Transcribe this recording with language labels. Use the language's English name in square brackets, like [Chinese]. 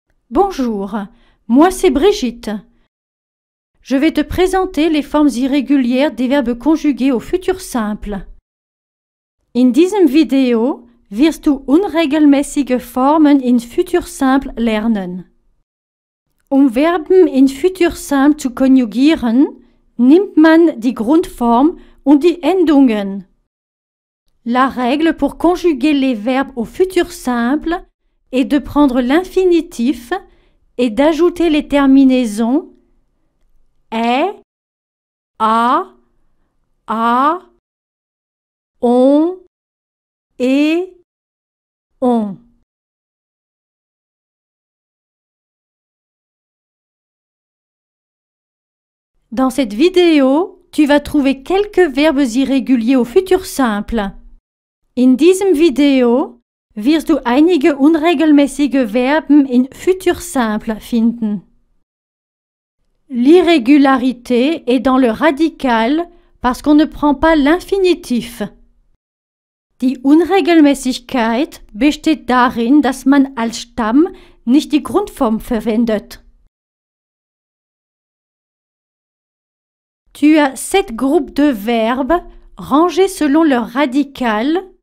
[French] Bonjour, moi c'est Brigitte. Je vais te présenter les formes irrégulières des verbes conjugués au futur simple. [German] In diesem Video wirst du unregelmäßige Formen in futur simple lernen. Um Verben in futur simple zu konjugieren, nimmt man die Grundform und die Endungen. [French] La règle pour conjuguer les verbes au futur simple et de prendre l'infinitif et d'ajouter les terminaisons est, a, a, on, et, on. Dans cette vidéo, tu vas trouver quelques verbes irréguliers au futur simple. [German] In diesem Video wirst du einige unregelmäßige Verben in futur simple finden. [French] L'irrégularité est dans le radical parce qu'on ne prend pas l'infinitif. [German] Die Unregelmäßigkeit besteht darin, dass man als Stamm nicht die Grundform verwendet. [French] Tu as sept groupes de verbes rangés selon leur radical.